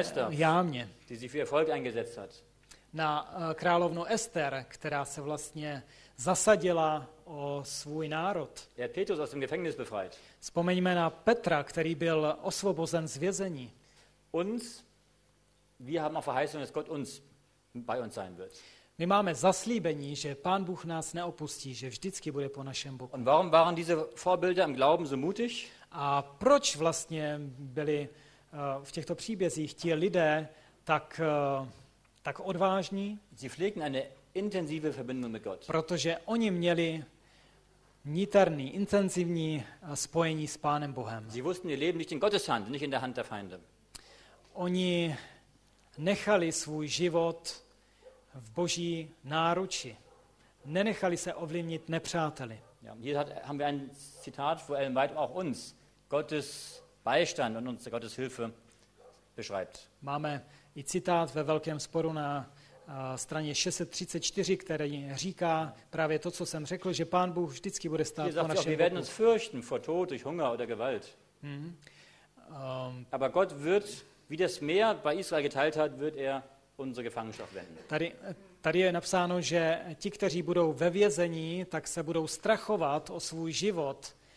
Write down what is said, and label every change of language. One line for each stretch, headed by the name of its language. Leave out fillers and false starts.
German: Jámě, die sie für ihr Volk eingesetzt hat.
Czech: Na královnu Ester, která se vlastně zasadila o svůj národ.
German: Er hat Petrus aus dem Gefängnis befreit.
Czech: Vzpomeňme na Petra, který byl osvobozen z vězení.
German: Uns, wir haben auch Verheißung, dass Gott uns bei uns sein wird.
Czech: My máme zaslíbení, že Pán Bůh nás neopustí, že vždycky bude po našem boku.
German: Und warum waren diese Vorbilder im Glauben so mutig?
Czech: A proč vlastně byli v těchto příbězích ti lidé tak odvážní?
German: Sie pflegten eine intensive Verbindung mit Gott.
Czech: Protože oni měli niterný, intenzivní spojení s Pánem Bohem.
German: Sie wussten ihr Leben nicht in Gottes Hand, nicht in der Hand der Feinde.
Czech: Oni nechali svůj život v Boží náruči. Nenechali se ovlivnit nepřáteli.
German: Ja, hier haben wir ein Zitat, wo Ellen White auch uns Gottes Beistand und unsere Gottes Hilfe beschreibt.
Czech: Máme i citát ve Velkém sporu na straně 634, který říká právě to, co jsem řekl, že Pán Bůh vždycky bude stát po našem boku.
German: Wir werden uns fürchten vor Tod durch Hunger oder Gewalt. Aber Gott wird, wie das Meer bei Israel geteilt hat, wird er unsere Gefangenschaft wenden.
Czech: Tady je napsáno, že ti, kteří budou ve vězení, tak se budou strachovat o svůj život.